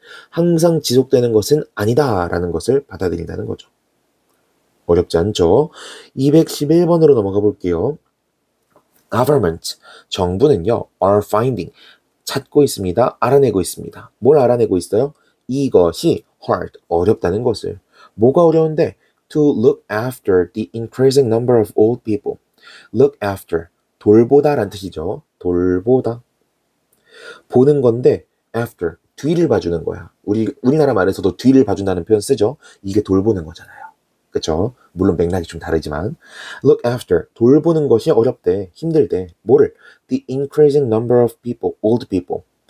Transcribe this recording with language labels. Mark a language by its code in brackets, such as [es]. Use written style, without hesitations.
[ko] 항상 지속되는 것은 아니다라는 것을 받아들인다는 거죠. 어렵지 않죠? 211번으로 넘어가 볼게요. Government, 정부는요, [en] are finding, [ko] 찾고 있습니다. 알아내고 있습니다. 뭘 알아내고 있어요? 이것이 hard, 어렵다는 것을. 뭐가 어려운데? [en] To look after the increasing number of old people. Look after, [ko] 돌보다란 뜻이죠. 돌보다. 보는 건데, after, 뒤를 봐주는 거야. 우리나라 말에서도 뒤를 봐준다는 표현 쓰죠? 이게 돌보는 거잖아요. 그렇죠. 물론 맥락이 좀 다르지만 [en] look after [ko] 돌보는 것이 어렵대. 힘들대. 뭐를? [en] The increasing number of people, old people.